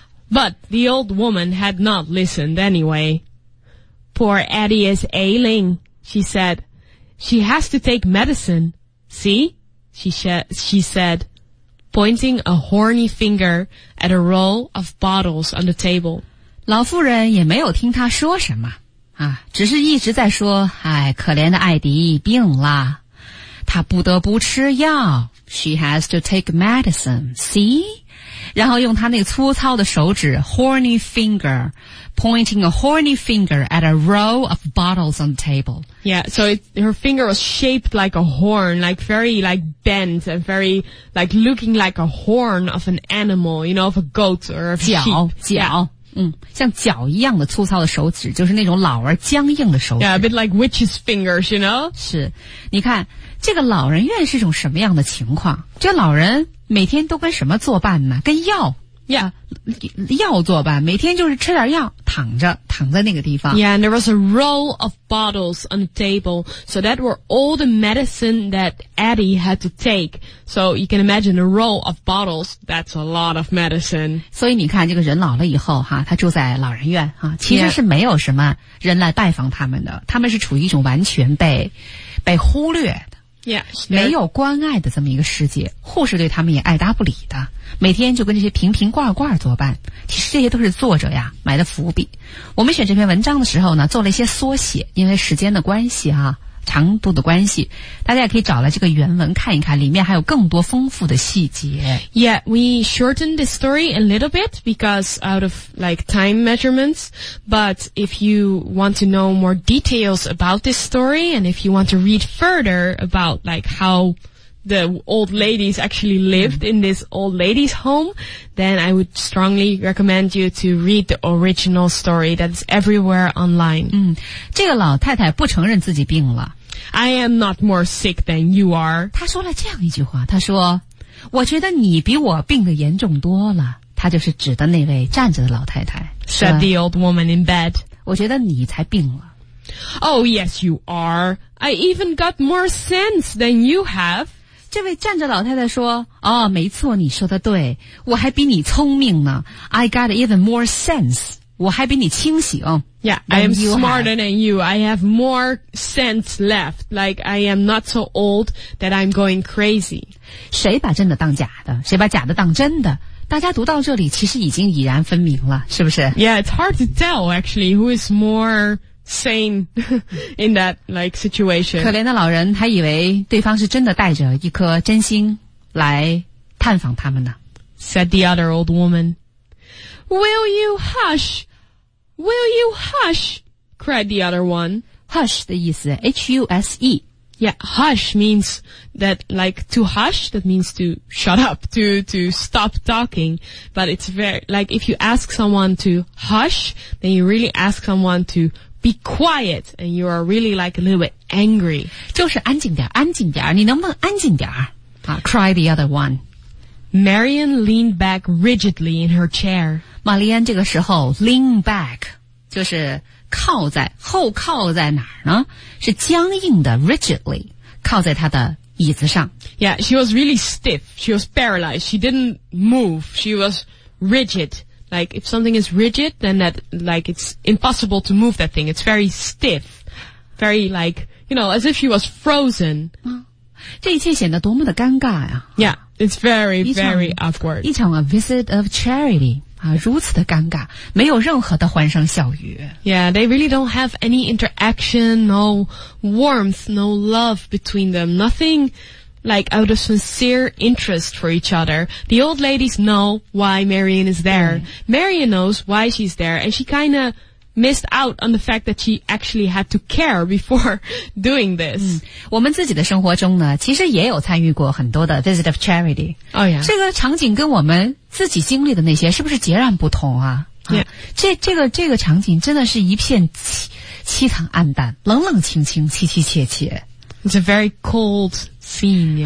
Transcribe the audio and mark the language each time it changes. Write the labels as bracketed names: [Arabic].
[English] But the old woman had not listened anyway. Poor Addie is ailing, she said. She has to take medicine. See? She said. Pointing a horny finger at a row of bottles on the table. [Chinese] 老妇人也没有听她说什么啊，只是一直在说，哎，可怜的艾迪病了，她不得不吃药。 [English] She has to take medicine, see? [Chinese] 然后用他那粗糙的手指 [English] horny finger, pointing a horny finger at a row of bottles on the table. Yeah, so her finger was shaped like a horn, like very like bent and very like looking like a horn of an animal, you know, of a goat or a sheep. [Chinese] 脚嗯，像脚一样的粗糙的手指，就是那种老而僵硬的手指。 [English] Yeah, a bit like witch's fingers, you know? [Chinese] 是，你看，这个老人院是一种什么样的情况？这老人每天都跟什么作伴呢？跟药。 [English] Yeah. [Chinese] 药作伴，每天就是吃点药，躺在那个地方。 [English] Yeah, and there was a row of bottles on the table, so that were all the medicine that Eddie had to take. So you can imagine a row of bottles, that's a lot of medicine. [Chinese] 所以你看，这个人老了以后，哈，他住在老人院，哈，其实是没有什么人来拜访他们的，他们是处于一种完全被忽略的。 [English] Yeah, [Chinese] 没有关爱的这么一个世界，护士对他们也爱答不理的，每天就跟这些瓶瓶罐罐作伴。其实这些都是作者呀埋的伏笔。我们选这篇文章的时候呢，做了一些缩写，因为时间的关系啊，长度的关系，大家也可以找来这个原文看一看，里面还有更多丰富的细节。 [English] Yeah, we shortened the story a little bit because out of like time measurements, but if you want to know more details about this story and if you want to read further about like how the old ladies actually lived in this old ladies' home, then I would strongly recommend you to read the original story that's everywhere online. [Chinese] 嗯，这个老太太不承认自己病了。 [English] I am not more sick than you are. [Chinese] 他说了这样一句话，他说，我觉得你比我病得严重多了。他就是指的那位站着的老太太。 [English] Said the old woman in bed. [Chinese] 我觉得你才病了。 [English] Oh, yes, you are. I even got more sense than you have. [Chinese] 这位站着老太太说，哦，没错，你说的对，我还比你聪明呢。 [English] I got even more sense. [Chinese] 我还比你清醒。 [English] Yeah, I am smarter than you. I have more sense left. Like, I am not so old that I'm going crazy. [Chinese] 谁把真的当假的？谁把假的当真的？大家读到这里其实已经已然分明了，是不是？ [English] Yeah, it's hard to tell, actually, who is more sane in that, like, situation. [Chinese] 可怜的老人还以为对方是真的带着一颗真心来探访他们呢。 [English] Said the other old woman. Will you hush? Will you hush? Cried the other one. [Chinese] Hush 的意思 H-U-S-E. [English] Yeah, hush means that like to hush, that means to shut up, to stop talking. But it's very, like if you ask someone to hush, then you really ask someone to be quiet and you are really like a little bit angry. [Chinese] 就是安静点安静点你能不能安静点、啊、 [English] Cried the other one. Marian leaned back rigidly in her chair. [Chinese] 玛丽安这个时候 lean back, 就是靠在后靠在哪儿呢是僵硬的 rigidly, 靠在她的椅子上。 [English] Yeah, she was really stiff. She was paralyzed. She didn't move. She was rigid. Like, if something is rigid, then that, like, it's impossible to move that thing. It's very stiff. Very, like, you know, as if she was frozen. [Chinese] 这一切显得多么的尴尬呀。 [English] Yeah. It's very, very awkward. [Chinese] 一场 a visit of charity, 啊如此的尴尬没有任何的欢声笑语。 [English] Yeah, they really don't have any interaction, no warmth, no love between them. Nothing like out of sincere interest for each other. The old ladies know why Marian is there. Marian knows why she's there, and she kind of missed out on the fact that she actually had to care before doing this.、 [Chinese] 嗯、我们自己的生活中呢其实也有参与过很多的 visit of charity. [English] Oh yeah. [Chinese] 这个场景跟我们自己经历的那些是不是截然不同 啊, 啊 [English] Yeah. [Chinese] 这个场景真的是一片凄惨暗淡冷冷清清凄凄切切。 [English] It's a very cold scene.、Yeah.